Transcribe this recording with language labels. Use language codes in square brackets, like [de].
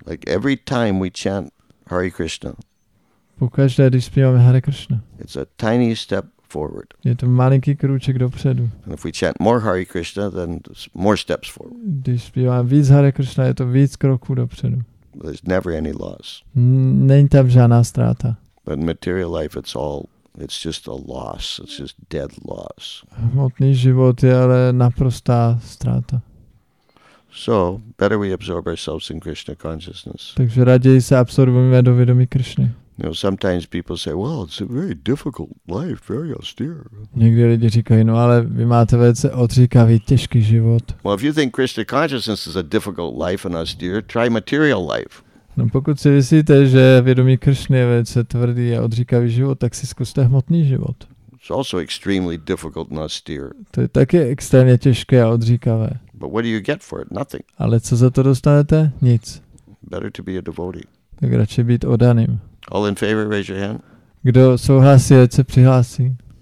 [en] Like every time we chant Hare Krishna. [cs] Pokaždé, když zpíváme Hare Krishna. [en] It's a tiny step forward. [cs] Je to malinký krůček dopředu. [en] And if we chant more Hare Krishna, then there's more steps forward. [cs] Když zpívám víc Hare Krishna, je to víc kroků dopředu. [en] There's never any loss. [cs] Není tam žádná ztráta. [en] But in material life, it's just a loss. It's just dead loss. [cs] Hmotný život je ale naprostá ztráta. [en] So, better we absorb ourselves in Krishna consciousness. [cs] Takže raději se absorbujeme do vědomí Kršny. [en] You know, sometimes people say, well, it's a very difficult life, very austere. [cs] Někdy lidi říkají, no ale vy máte velice odříkavý, těžký život. [en] Well, if you think Krishna consciousness is a difficult life and austere, try material life. [cs] No pokud si myslíte, že vědomí Kršny je velice tvrdý a odříkavý život, tak si zkuste hmotný život. [en] It's also extremely difficult and austere. [cs] To je také extrémně těžké a odříkavé. [en] But what do you get for it? Nothing. [cs] Ale co za to dostanete? Nic. [en] Better to be a devotee. [cs] Tak radši být oddaným. [en] All in favor, raise your hand. [cs] Kdo souhlasí, ať se přihlásí.